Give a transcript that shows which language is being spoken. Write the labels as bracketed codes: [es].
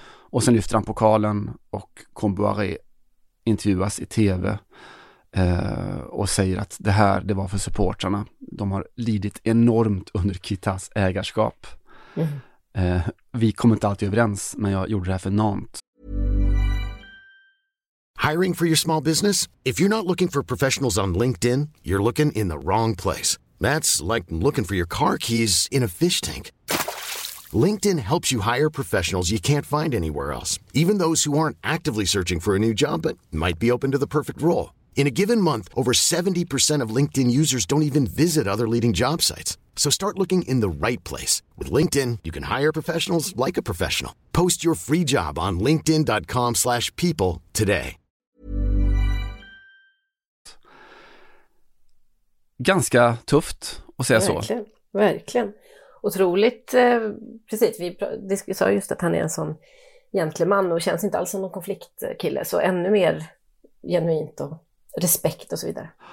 [sv] Och sen lyfter han pokalen och Comboiré intervjuas i tv. Och säger att det var för supportrarna. De har lidit enormt under Kitas ägarskap. Vi kommer inte alltid överens, men jag gjorde det här för Nantes. [en] Hiring for your small business? If you're not looking for professionals on LinkedIn, you're looking in the wrong place. That's like looking for your car keys in a fish tank. LinkedIn helps you hire professionals you can't find anywhere else, even those who aren't actively searching for a new job but might be open to the perfect role. In a given month, over 70% of LinkedIn users don't even visit other leading job sites. So start looking in the right place. With LinkedIn, you can hire professionals like a professional. Post your free job on linkedin.com/people today. [sv] Ganska tufft att säga så. Verkligen. Otroligt. Precis, vi sa just att han är en sån gentleman och känns inte alls som någon konfliktkille. Så ännu mer genuint och respekt och så vidare.